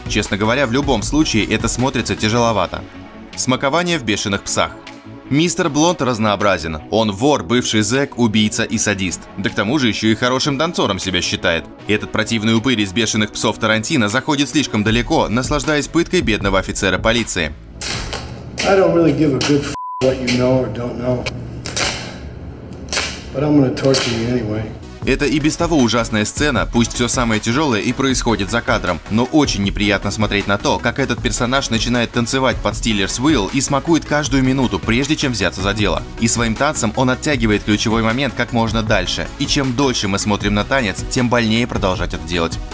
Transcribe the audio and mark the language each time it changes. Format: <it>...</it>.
<ru>Честно говоря, в любом случае это смотрится тяжеловато. Смакование в «Бешеных псах». Мистер Блонд разнообразен. Он вор, бывший зэк, убийца и садист. Да к тому же еще и хорошим танцором себя считает. Этот противный упырь из «Бешеных псов» Тарантино заходит слишком далеко, наслаждаясь пыткой бедного офицера полиции.</ru> <en>I don't really give a good f*** what you know or don't know. But I'm gonna torture you anyway.</en> <ru>Это и без того ужасная сцена, пусть все самое тяжелое и происходит за кадром, но очень неприятно смотреть на то, как этот персонаж начинает танцевать под Steelers Wheel и смакует каждую минуту, прежде чем взяться за дело. И своим танцем он оттягивает ключевой момент как можно дальше, и чем дольше мы смотрим на танец, тем больнее продолжать это делать.</ru>